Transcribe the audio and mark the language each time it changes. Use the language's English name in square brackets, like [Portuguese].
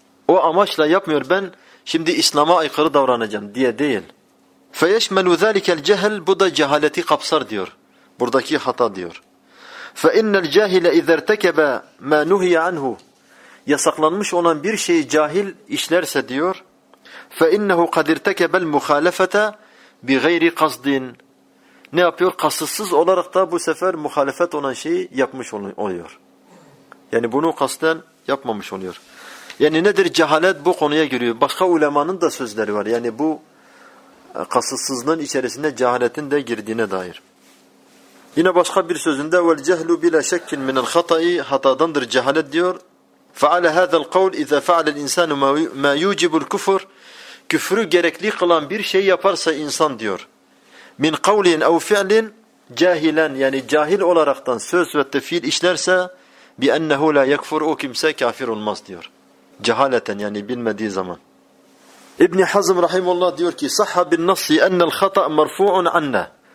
[Turkish] O amaçla yapmıyor, ben şimdi İslam'a aykırı davranacağım diye değil. [Arabic] فَيَشْمَلُ ذَٰلِكَ الْجَهَلِ [Turkish] Bu da cehaleti kapsar diyor. Buradaki hata diyor. [Arabic] فَاِنَّ الْجَاهِلَ اِذَا ارْتَكَبَ مَا نُهِيَ عَنْهُ [Turkish] Yasaklanmış olan bir şeyi cahil işlerse diyor. [Arabic] فَاِنَّهُ قَدْ ارْتَكَبَ الْمُخَالَفَةَ بِغَيْرِ قَصْدٍ [Turkish] Ne yapıyor? Kasıtsız olarak da bu sefer muhalefet olan şeyi yapmış oluyor. Yani bunu kasten yapmamış oluyor. Yani nedir? Cehalet bu konuya giriyor. Başka ulemanın da sözleri var. Yani bu kasıtsızlığın içerisinde cehaletin de girdiğine dair. [Arabic] Yine başka bir sözünde وَالْجَهْلُ بِلَا شَكٍ مِنَ الْخَطَئِ [Turkish] Hatadandır cehalet diyor. [Arabic] فَعَلَ هَذَا الْقَوْلِ اِذَا فَعَلَ الْاِنْسَانُ مَا يُوْجِبُ الْكُفُرِ [Turkish] Küfrü gerekli kılan bir şey yaparsa insan diyor. [Arabic] Min kavlin ev fi'lin cahilen [Turkish] yani cahil olaraktan söz ve fiil işlerse [Arabic] bi ennehu la yekfur [Turkish] o kimse kafir olmaz diyor. Cehaleten yani bilmediği zaman. İbn Hazm rahimullah diyor ki [Arabic] sahha bin nasi enel hata marfu'un anna.